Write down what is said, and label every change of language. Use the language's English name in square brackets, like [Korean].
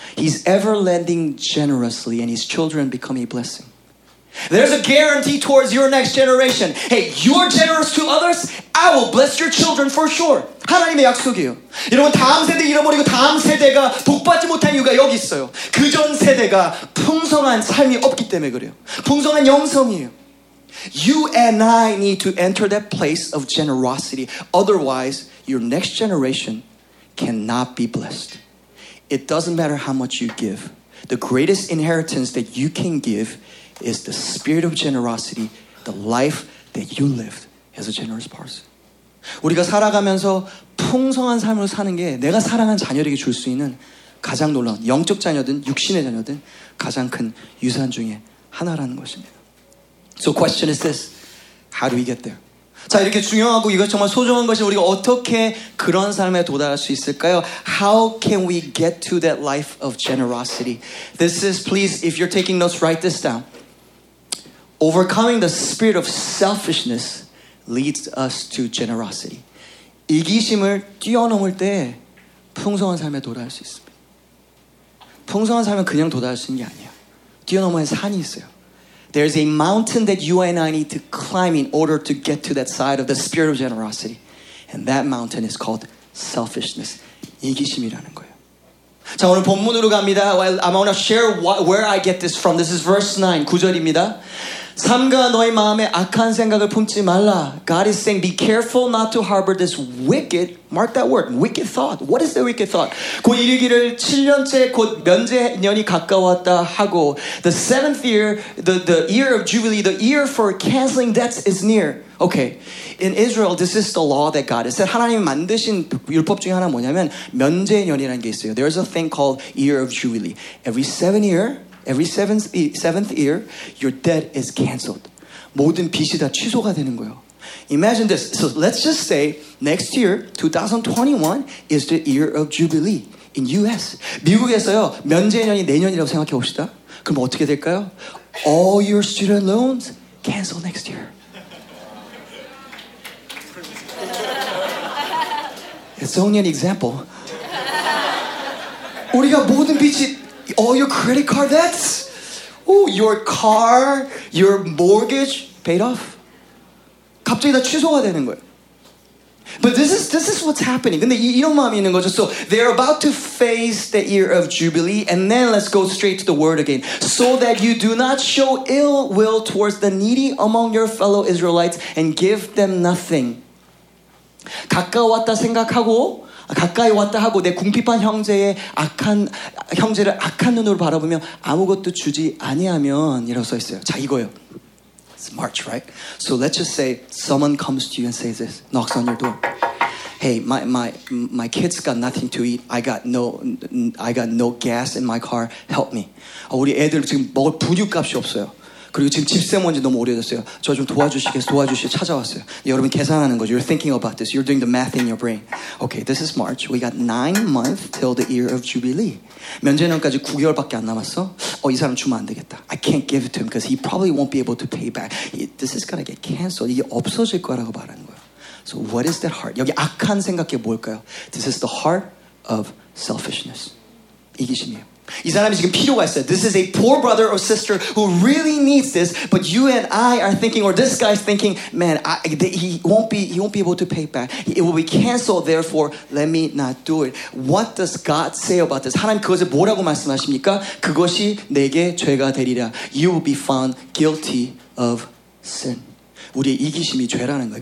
[English] He's ever lending generously and his children become a blessing. There's a guarantee towards your next generation. Hey, you're generous to others, I will bless your children for sure. [Korean] 하나님의 약속이에요. 여러분 다음 세대 잃어버리고 다음 세대가 복받지 못한 이유가 여기 있어요. 그전 세대가 풍성한 삶이 없기 때문에 그래요. 풍성한 영성이에요. [English] You and I need to enter that place of generosity. Otherwise, your next generation cannot be blessed. It doesn't matter how much you give. The greatest inheritance that you can give is the spirit of generosity, the life that you lived as a generous person. [Korean] 우리가 살아가면서 풍성한 삶을 사는 게 내가 사랑한 자녀들에게 줄 수 있는 가장 놀라운 영적 자녀든 육신의 자녀든 가장 큰 유산 중에 하나라는 것입니다. [English] So question is this, how do we get there? [Korean] 자 이렇게 중요하고 이것 정말 소중한 것이 우리가 어떻게 그런 삶에 도달할 수 있을까요? [English] How can we get to that life of generosity? This is, please, if you're taking notes, write this down. Overcoming the spirit of selfishness leads us to generosity. [Korean] 이기심을 뛰어넘을 때 풍성한 삶에 도달할 수 있습니다. 풍성한 삶은 그냥 도달할 수 있는 게 아니에요. 뛰어넘어야 산이 있어요. [English] There's a mountain that you and I need to climb in order to get to that side of the spirit of generosity. And that mountain is called selfishness. [Korean] 이기심이라는 거예요. 자, 오늘 본문으로 갑니다. [English] Well, I want to share where I get this from. This is verse 9, [Korean] 9절입니다. 삼가 너의 마음에 악한 생각을 품지 말라. [English] God is saying, be careful not to harbor this wicked, mark that word, wicked thought. What is the wicked thought? [Korean] 곧 이르기를 7년째 곧 면제년이 가까웠다 하고 [English] the seventh year, the year of Jubilee, the year for canceling debts is near. Okay, in Israel, this is the law that God has said. [Korean] 하나님이 만드신 율법 중에 하나 뭐냐면 면제년이라는 게 있어요. [English] There is a thing called year of Jubilee. Every seventh year, your debt is canceled. [Korean] 모든 빚이 다 취소가 되는 거예요. [English] Imagine this. So let's just say next year, 2021, is the year of Jubilee. in US. [Korean] 미국에서요, 면제년이 내년이라고 생각해 봅시다. 그럼 어떻게 될까요? [English] All your student loans cancel next year. It's only an example. [Korean] 우리가 모든 빚이 [English] all your credit card debts, oh, your car, your mortgage paid off. [Korean] 갑자기 다 취소가 되는 거예요. [English] But this is what's happening. [Korean] 근데 이런 마음이 있는 거죠. [English] So they're about to face the year of Jubilee, and then let's go straight to the word again. So that you do not show ill will towards the needy among your fellow Israelites and give them nothing. [Korean] 가까웠다 생각하고 가까이 왔다 하고 내 궁핍한 형제의 악한 형제를 악한 눈으로 바라보며 아무것도 주지 아니하면이라고 써 있어요. 자 이거요. [English] It's March, right? So let's just say someone comes to you and says this, knocks on your door. Hey, my kids got nothing to eat. I got no gas in my car. Help me. [Korean] 우리 애들 지금 먹을 분유값이 없어요. 그리고 지금 집세 먼지 너무 오래됐어요. 저 좀 도와주시겠어요? 찾아왔어요. 여러분 계산하는 거죠. [English] You're thinking about this. You're doing the math in your brain. Okay, this is March. We got 9 months till the year of Jubilee. [Korean] 면제년까지 9개월밖에 안 남았어? 이 사람 주면 안 되겠다. [English] I can't give it to him because he probably won't be able to pay back. This is gonna get canceled. [Korean] 이게 없어질 거라고 말하는 거예요. [English] So what is that heart? [Korean] 여기 악한 생각이 뭘까요? [English] This is the heart of selfishness. [Korean] 이기심이에요. 이 사람이 지금 필요가 있어요. [English] This is a poor brother or sister who really needs this, but you and I are thinking, or this guy's thinking, man, he won't be able to pay back. It will be canceled, therefore, let me not do it. What does God say about this? [Korean] 하나님 그것을 뭐라고 말씀하십니까? 그것이 내게 죄가 되리라. [English] You will be found guilty of sin. [Korean] 우리의 이기심이 죄라는 거예요.